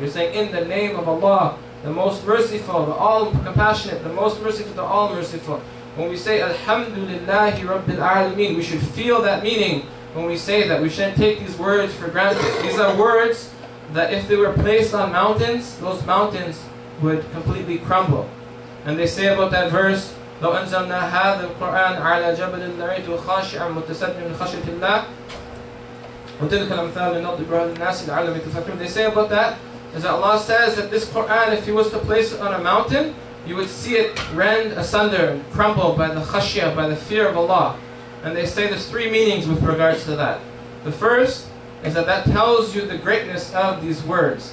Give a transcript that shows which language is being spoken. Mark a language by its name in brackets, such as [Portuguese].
[English] You're saying in the name of Allah, the most merciful, the all compassionate, the most merciful, the all merciful. When we say Alhamdulillahi Rabbil Alameen, we should feel that meaning when we say that. We shouldn't take these words for granted. These are words that if they were placed on mountains, those mountains would completely crumble. And they say about that verse, [Arabic] لو أنزلنا هذا القرآن على جبل لرأيته خاشعا متسدما من خشية الله وتلك الأمثال لنضرب بها للناس لعلهم يتفكرون. [English] They say about that is that Allah says that this Quran, if you was to place it on a mountain, you would see it rend asunder and crumble by the khashiyah, by the fear of Allah. And they say there's three meanings with regards to that. The first is that that tells you the greatness of these words.